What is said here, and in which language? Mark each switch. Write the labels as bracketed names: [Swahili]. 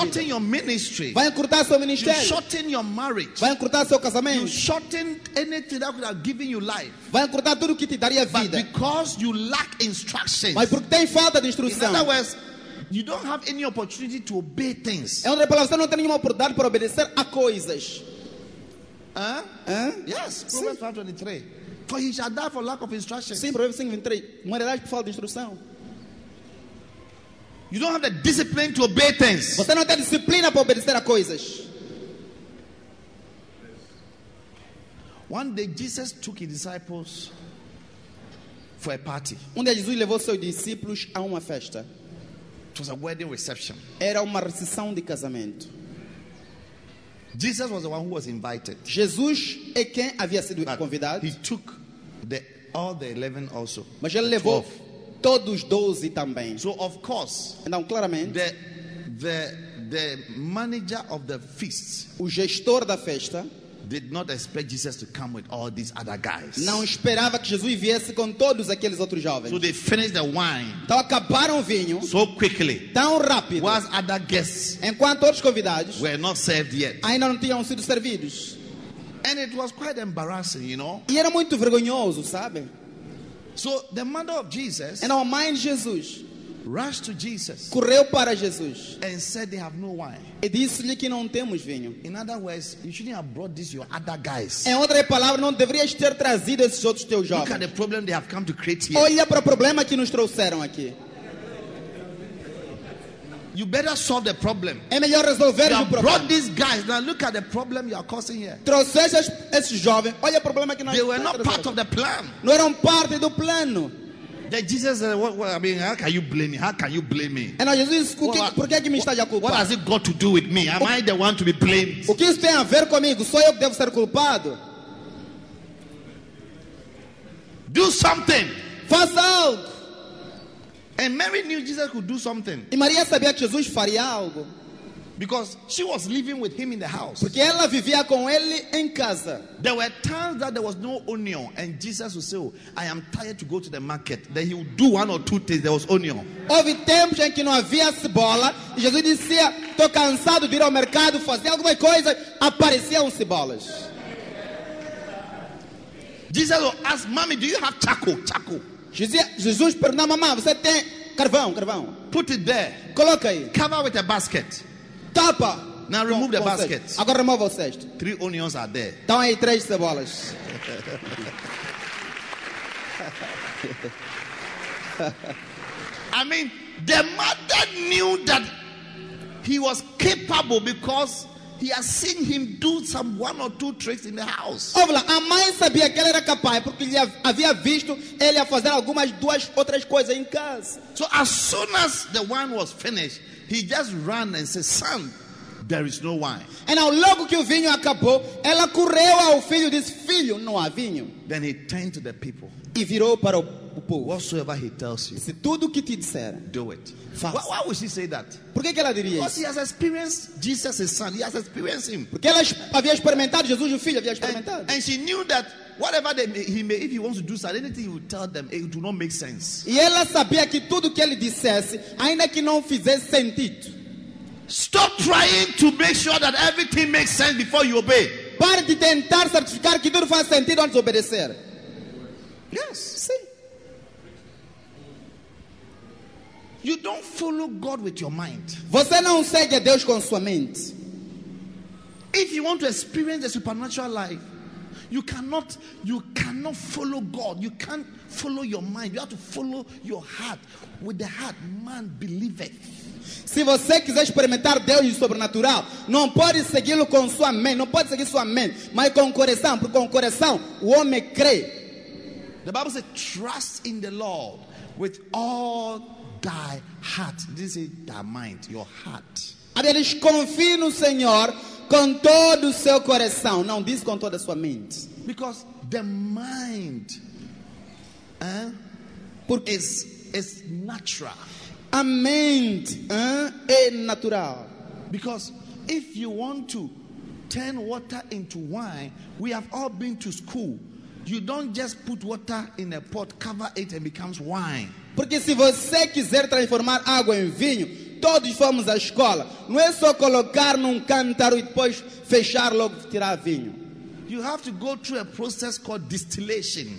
[English] You shorten your ministry. [Portuguese] Vai encurtar seu ministério. [English] You shorten your marriage. [Portuguese] Vai encurtar seu casamento. [English] You shorten anything that could have given you life. [Portuguese] Vai encurtar tudo que te daria vida. [English] But because you lack instructions. [Portuguese] Mas porque tem falta de instrução. [English] In other words, you don't have any opportunity to obey things. [Portuguese] Em outras palavras, você não tem nenhuma oportunidade para obedecer a coisas. [English] Yes, Proverbs 5:23. For he shall die for lack of instruction. [Portuguese] Sim, Proverbs 5:23. Morrerá por falta de instrução. [English] You don't have the discipline to obey things. [Portuguese] Você não tem disciplina para obedecer a coisas. [English] One day Jesus took his disciples for a party. [Portuguese] Um dia Jesus levou seus discípulos a uma festa. [English] It was a wedding reception. [Portuguese] Era uma recepção de casamento. [English] Jesus was the one who was invited. [Portuguese] Jesus é quem havia sido convidado. [English] He took all the 11 also. [Portuguese] Mas ele levou 12. Todos 12 também. [English] So of course, [Portuguese] então claramente, [English] the manager of the feast, [Portuguese] o gestor da festa, [English] did not expect Jesus to come with all these other guys. [Portuguese] Não esperava que Jesus viesse com todos aqueles outros jovens. [English] So they finished the wine. [Portuguese] Então acabaram o vinho. [English] So quickly. [Portuguese] Tão rápido. [English] Whereas other guests, [Portuguese] enquanto outros convidados, [English] were not served yet. [Portuguese] Ainda não tinham sido servidos. [English] And it was quite embarrassing, you know. [Portuguese] E era muito vergonhoso, sabe? [English] So the mother of Jesus, and our mind Jesus, rushed to Jesus, [Portuguese] correu para Jesus, [English] and said they have no wine. [Portuguese] E disse-lhe que não temos vinho. [English] In other words, you shouldn't have brought this your other guys. [Portuguese] Em outra palavra, não deverias ter trazido esses outros teus jovens. [English] Look at the problem they have come to create here. [Portuguese] Olha para o problema que nos trouxeram aqui. [English] You better solve the problem. [Portuguese] É melhor resolver [English] you [Portuguese] o problema. [English] You brought these guys. Now look at the problem you are causing here. [Portuguese] Trouxe esses jovens. Olha o problema que nós [English] they were not part of the plan. [Portuguese] Não eram parte do plano. [English] Then Jesus said, how can you blame me? How can you blame me? [Portuguese] E não, Jesus, por que me está a culpar? [English] What has it got to do with me? Am I the one to be blamed? [Portuguese] O que isso tem a ver comigo? Sou eu que devo ser culpado? [English] Do something. [Portuguese] Faça algo. [English] And Mary knew Jesus could do something. [Portuguese] E Maria sabia que Jesus faria algo. [English] Because she was living with him in the house. [Portuguese] Porque ela vivia com ele em casa. [English] There were times that there was no onion and Jesus would say, oh, I am tired to go to the market. Then he would do one or two things, there was onion. [Portuguese] Houve tempos em que não havia cebola e Jesus dizia, estou cansado de ir ao mercado fazer alguma coisa, apareciam cebolas. [English] Jesus would ask, mommy, do you have charcoal? [Portuguese] Jesus perguntou, mamãe, você tem carvão? [English] Put it there. [Portuguese] Coloca aí. [English] Cover with a basket. [Portuguese] Tapa. [English] Now remove the basket. [Portuguese] Agora remove o cesto. [English] Three onions are there. [Portuguese] Então aí três cebolas. [English] I mean, the mother knew that he was capable because he has seen him do some one or two tricks in the house. [Portuguese] Olha, a mãe sabia que ele era capaz porque ele havia visto ele a fazer algumas duas outras coisas em casa. [English] So as soon as the wine was finished, he just ran and said, "Son, there is no wine." [Portuguese] E ao logo que o vinho acabou, ela correu ao filho e disse, "Filho, não há vinho." [English] Then he turned to the people. [Portuguese] E virou para o povo. [English] Whatsoever he tells you, [Portuguese] se tudo que te disser, [English] do it. [Portuguese] Faça. [English] Why would she say that? [Portuguese] Por que ela diria isso? [English] Because he has experienced Jesus, his son. He has experienced him. [Portuguese] Porque ela havia experimentado Jesus, o filho, havia experimentado. [English] And she knew that whatever if he wants to do something, anything he would tell them, it do not make sense. [Portuguese] E ela sabia que tudo que ele dissesse, ainda que não fizesse sentido. [English] Stop trying to make sure that everything makes sense before you obey. [Portuguese] Pare de tentar certificar que tudo faz sentido antes de obedecer. [English] Yes. [Portuguese] Sim. [English] You don't follow God with your mind. [Portuguese] Você não segue Deus com sua mente. [English] If you want to experience the supernatural life, you cannot follow God. You can't follow your mind. You have to follow your heart. With the heart, man believeth. [Portuguese] Se você quiser experimentar Deus sobrenatural, não pode segui-lo com sua mente. Não pode seguir sua mente, mas com o coração. Porque com o coração, o homem crê. [English] The Bible says, trust in the Lord with all thy heart. This is thy mind, your heart. [Portuguese] A Deus confie no Senhor com todo o seu coração. Não diz com toda a sua mente. [English] Because the mind is natural. [Portuguese] A mente é natural. [English] Because if you want to turn water into wine, we have all been to school. You don't just put water in a pot, cover it and becomes wine. [Portuguese] Porque se você quiser transformar água em vinho, todos fomos à escola. Não é só colocar num cântaro e depois fechar logo tirar vinho. [English] You have to go through a process called distillation.